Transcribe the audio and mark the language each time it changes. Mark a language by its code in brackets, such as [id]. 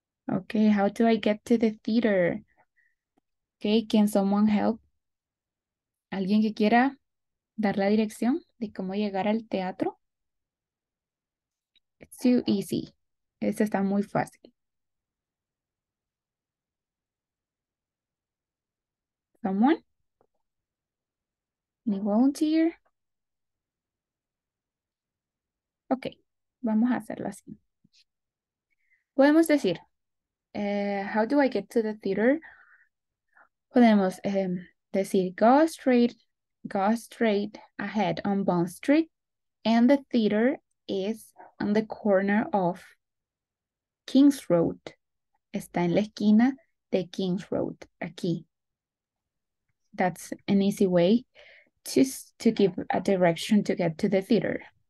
[en] Okay, how do I get to the theater? Okay, can someone help? [es] ¿Alguien que quiera dar la dirección de cómo llegar al teatro? [en] It's too easy. [es] Eso está muy fácil. [en] Someone? Any volunteer? [es] Ok, vamos a hacerlo así. Podemos decir, [en] how do I get to the theater? [es] Podemos decir, [en] go straight ahead on Bond Street, and the theater is on the corner of King's Road. [es] Está en la esquina de King's Road, aquí. [en] That's an easy way to give a direction to get to the theater.